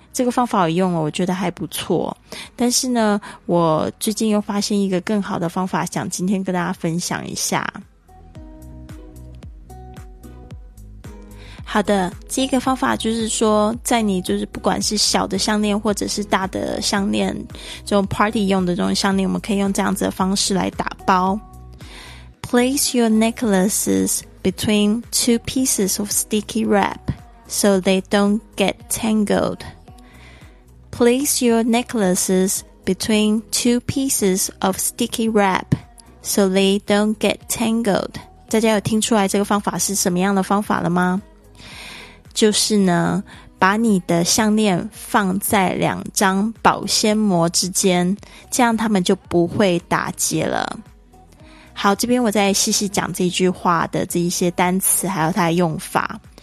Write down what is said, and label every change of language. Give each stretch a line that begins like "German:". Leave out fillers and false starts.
Chinese: 这个方法我用了，我觉得还不错。但是呢，我最近又发现一个更好的方法，想今天跟大家分享一下。好的，这个方法就是说，在你就是不管是小的项链或者是大的项链，这种 party 用的这种项链，我们可以用这样子的方式来打包。
English: Place your necklaces between two pieces of sticky wrap so they don't get tangled. Place your necklaces between two pieces of sticky wrap so they don't get tangled.
Chinese: 大家有听出来这个方法是什么样的方法了吗？就是呢，把你的项链放在两张保鲜膜之间，这样他们就不会打结了。好，这边我再细细讲这句话的这一些单词还有它的用法。